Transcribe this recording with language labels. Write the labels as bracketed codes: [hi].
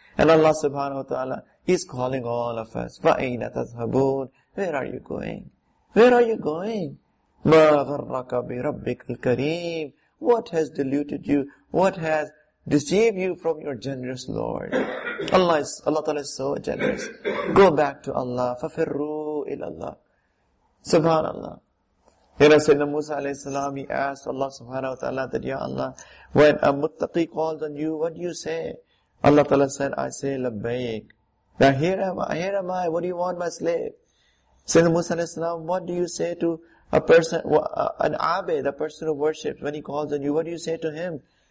[en] And Allah subhanahu wa ta'ala, He's calling all of us. [ar] فَأَيْنَ تَذْهَبُونَ [en] Where are you going? Where are you going? [ar] مَا غَرَّكَ بِرَبِّكَ الْكَرِيمِ [en] What has deluded you? What has deceived you from your generous Lord? Allah ta'ala is so generous. Go back to Allah. [ar] فَفِرُّوا إِلَى اللَّهِ Subhanallah. [en] You know, Sayyidina Musa alayhi salam, he asked Allah subhanahu wa ta'ala that, Ya Allah, when a muttaqi calls on you, what do you say? Allah ta'ala said, I say, Labbaik. Now here am I, what do you want, my slave? Sayyidina Musa alayhi salam, what do you say to a person, an abid, a person who worships, when he calls on you, what do you say to him?